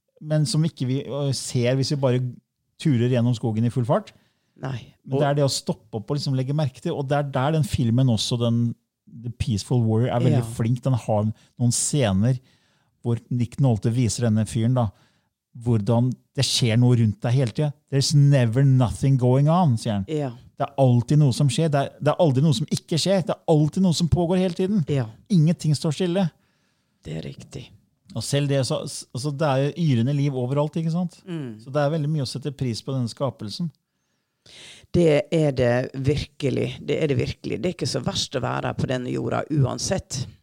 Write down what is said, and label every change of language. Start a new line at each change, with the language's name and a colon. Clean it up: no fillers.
Norwegian: Men som ikke vi ser hvis vi bare turer gjennom skogen i full fart. Nei. Men det er det å stoppe opp og liksom legge merke til. Og det er der den filmen også, den The Peaceful Warrior, er veldig flink. Den har noen scener hvor Nick Nolte viser denne fyren da, hvordan det skjer noe rundt deg hele tiden.
English: There's never nothing going on, sier han.
Norwegian: Ja. Det er alltid noe som skjer. Det er aldri noe som ikke skjer. Det er alltid noe som pågår hele tiden. Ja. Ingenting står stille. Det er riktig. Og selv det, altså det er jo yrende liv overalt, ikke sant? Mm. Så det er veldig mye å sette pris på denne skapelsen. Det er det virkelig. Det er det virkelig. Det er ikke så verst å være på denne jorda uansett.